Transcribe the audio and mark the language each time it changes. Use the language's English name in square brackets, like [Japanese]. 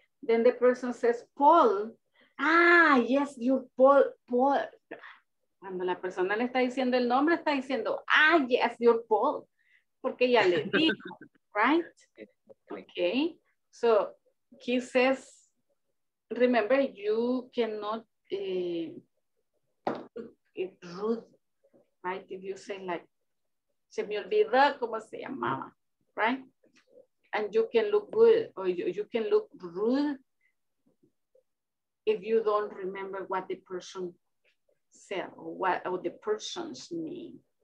[English] Then the person says, Paul, yes, you're Paul. [Spanish] Cuando la persona le está diciendo el nombre, está diciendo, [English] yes, you're Paul, [Spanish] porque ya le dijo, right? [English] Okay, so he says, remember, you cannot, it's rude. Right, if you say like, [Spanish] se me olvida cómo se llamaba, [English] right? And you can look good, or you can look rude if you don't remember what the person said, or what or the person's name.